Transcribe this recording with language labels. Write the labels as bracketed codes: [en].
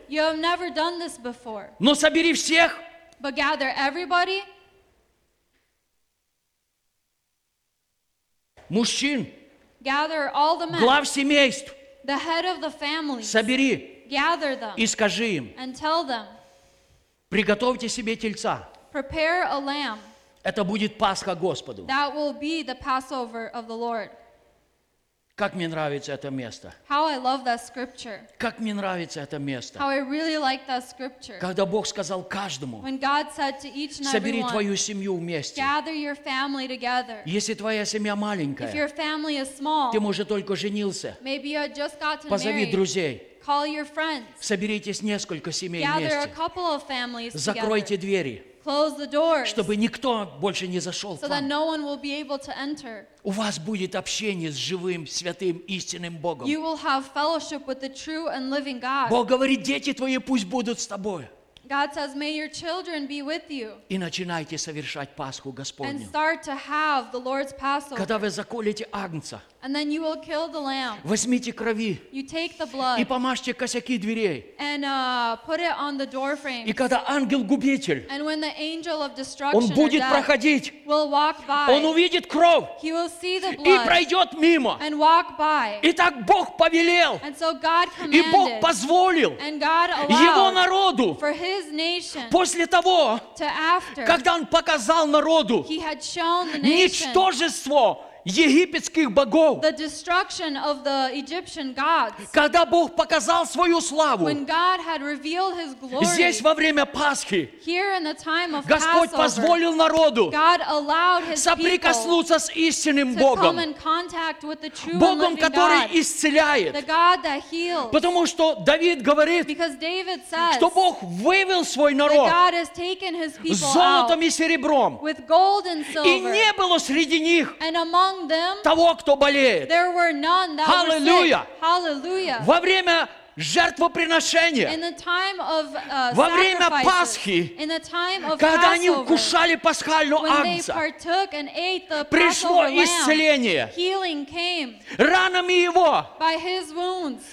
[en] You have never done this before. [ru] Но собери всех, [en] but gather everybody, [ru] мужчин, [en] gather all the men, [ru] глав семейств, [en] the head of the families, [ru] собери [en] gather them, [ru] и скажи им, [en] and tell them, [ru] приготовьте себе тельца. [en] Prepare a lamb. [ru] Это будет Пасха Господу. [en] That will be the Passover of the Lord. [ru] Как мне нравится это место. [en] How I love that scripture. [ru] Как мне нравится это место. [en] How I really like that scripture. [ru] Когда Бог сказал каждому, [en] when God said to each and [ru] собери [en] everyone, [ru] твою семью вместе. [en] Gather your family together. [ru] Если твоя семья маленькая, [en] if your family is small, [ru] ты, может, только женился, [en] maybe you had just gotten [ru] позови [en] married, [ru] друзей. [en] Call your friends. [ru] Соберитесь несколько семей [en] gather [ru] вместе. [en] A couple of families [ru] закройте [en] together. [ru] Двери. [en] Close the doors. [ru] Чтобы никто больше не зашел [en] so [ru] к вам. [en] No one will be able to enter. [ru] У вас будет общение с живым, святым, истинным Богом. [en] You will have fellowship with the true and living God. [ru] Бог говорит, дети твои пусть будут с тобой. [en] God says, may your children be with you. [ru] И начинайте совершать Пасху Господню. [en] And start to have the Lord's Passover. [ru] Когда вы заколите агнца, [en] and then you will kill the lamb. [ru] Возьмите крови. [en] You take the blood. [ru] И помажьте косяки дверей. [en] And put it on the door frames. [ru] И когда ангел-губитель, [en] and when the angel of destruction [ru] он будет [en] or death [ru] проходить, [en] will walk by, [ru] он увидит кровь, [en] he will see the blood, [ru] и пройдет мимо, [en] and walk by. [ru] И так Бог повелел, [en] and so God commanded, [ru] и Бог позволил, [en] and God allowed [ru] его народу, [en] for his nation, [ru] после того, [en] to after, [ru] когда он показал народу, [en] he had shown the nation, [ru] ничтожество египетских богов. [en] The destruction of the Egyptian gods. [ru] Когда Бог показал свою славу. [en] When God had revealed his glory. [ru] Здесь во время Пасхи. [en] Here in the time of [ru] Господь Господь позволил народу. [en] God allowed his [ru] соприкоснуться [en] people [ru] с истинным Богом. [en] To come in contact with the true [ru] Богом, [en] living God, [ru] который исцеляет. [en] The God that heals. [ru] Потому что Давид говорит, [en] because David says, [ru] что Бог вывел свой народ [en] that God has taken his people [ru] золотом [en] out [ru] и серебром. [en] With gold and silver. [ru] И не было среди них [en] and among them, [ru] того, кто болеет. [en] There were none that hallelujah were sick. Hallelujah. [ru] Во время жертвоприношения, [en] in the time of, [ru] во время Пасхи, [en] in the time of [ru] когда [en] Passover, [ru] они вкушали пасхального агнца, пришло исцеление. [en] Healing came. [ru] Ранами его. [en] By his wounds.